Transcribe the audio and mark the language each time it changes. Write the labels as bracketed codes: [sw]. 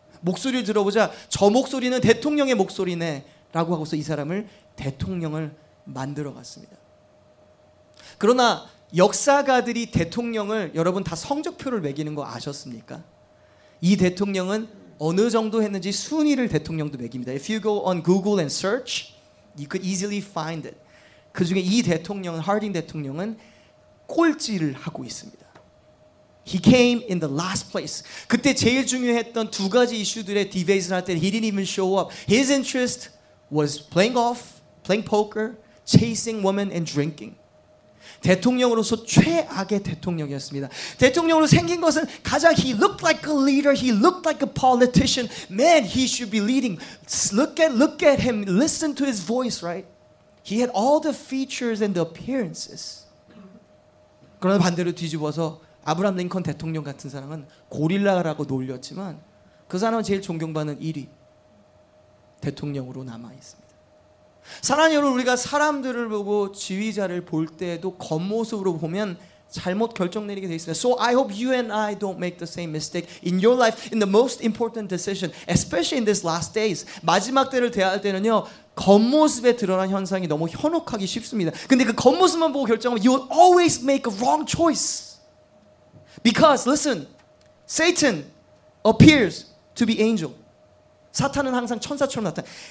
[ko] 목소리를 들어보자 저 목소리는 대통령의 목소리네 라고 하고서 이 사람을 대통령을 만들어갔습니다. 그러나 역사가들이 대통령을 여러분 다 성적표를 매기는 거 아셨습니까? 이 대통령은 어느 정도 했는지 순위를 대통령도 매깁니다. [en] If you go on Google and search, you could easily find it. [ko] 그 중에 이 대통령은 하딩 대통령은 꼴찌를 하고 있습니다. [en] He came in the last place. [ko] 그때 제일 중요했던 두 가지 이슈들의 debate를 할 때 [en] he didn't even show up. His interest was playing golf, playing poker, chasing women and drinking. [ko] 대통령으로서 최악의 대통령이었습니다. 대통령으로 생긴 것은 가장 [en] he looked like a leader, he looked like a politician. Man, he should be leading. Look at him, listen to his voice, right? He had all the features and the appearances. [ko] 그러나 반대로 뒤집어서 아브라함 링컨 대통령 같은 사람은 고릴라라고 놀렸지만 그 사람은 제일 존경받는 1위 대통령으로 남아있습니다. 사랑하는 여러분 우리가 사람들을 보고 지휘자를 볼 때에도 겉모습으로 보면 잘못 결정 내리게 되어 있습니다. [en] So I hope you and I don't make the same mistake in your life, in the most important decision, especially in these last days. [ko] 마지막 때를 대할 때는요, 겉모습에 드러난 현상이 너무 현혹하기 쉽습니다. 근데 그 겉모습만 보고 결정하면 [en] you will always make a wrong choice. Because, listen, Satan appears to be angel. [ko] 사탄은 항상 천사처럼 나타나.